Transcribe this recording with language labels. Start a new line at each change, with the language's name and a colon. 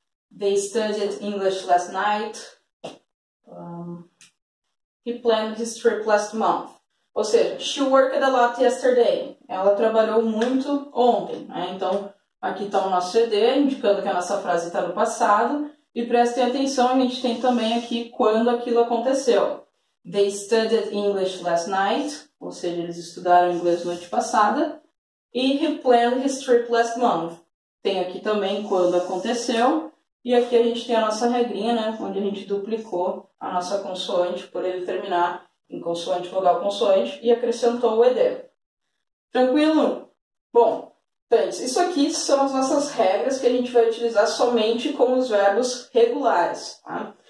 English: They studied English last night. He planned his trip last month.
Portuguese: Ou seja,
English: she worked a lot yesterday.
Portuguese: Ela trabalhou muito ontem, né? Então, aqui está o nosso ED, indicando que a nossa frase está no passado. E prestem atenção, a gente tem também aqui quando aquilo aconteceu.
English: They studied English last night,
Portuguese: ou seja, eles estudaram inglês noite passada.
English: E he planned his trip last month.
Portuguese: Tem aqui também quando aconteceu. E aqui a gente tem a nossa regrinha, né, onde a gente duplicou a nossa consoante por ele terminar em consoante, vogal, consoante e acrescentou o ED. Tranquilo? Bom. Isso aqui são as nossas regras que a gente vai utilizar somente com os verbos regulares, tá?